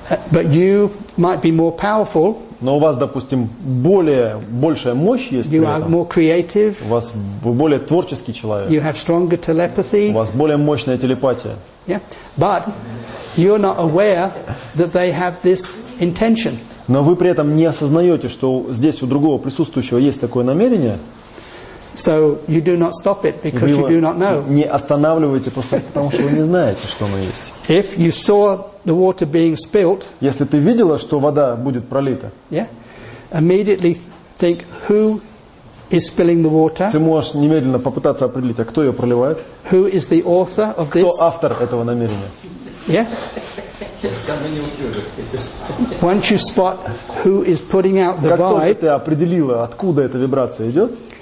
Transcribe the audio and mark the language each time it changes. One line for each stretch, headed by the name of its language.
English: But you might be more powerful.
Russian: Но у вас, допустим, большая мощь есть.
English: You are more creative.
Russian: У вас более творческий человек.
English: You have stronger telepathy.
Russian: У вас более мощная телепатия.
English: Yeah, but you're not aware that they have this intention.
Russian: Но вы при этом не осознаете, что здесь у другого присутствующего есть такое намерение.
English: So you do not stop it because you do not know.
Russian: Не останавливайте просто потому, что вы не знаете, что оно есть.
English: If you saw the water being spilt,
Russian: если ты видела, что вода будет пролита,
English: yeah, immediately think who is spilling the water.
Russian: Ты можешь немедленно попытаться определить, а кто ее проливает?
English: Who is the author of this?
Russian: Кто автор этого намерения?
English: Yeah. Once you spot who is putting out the vibe,
Russian: как только ты определила, откуда эта вибрация идет,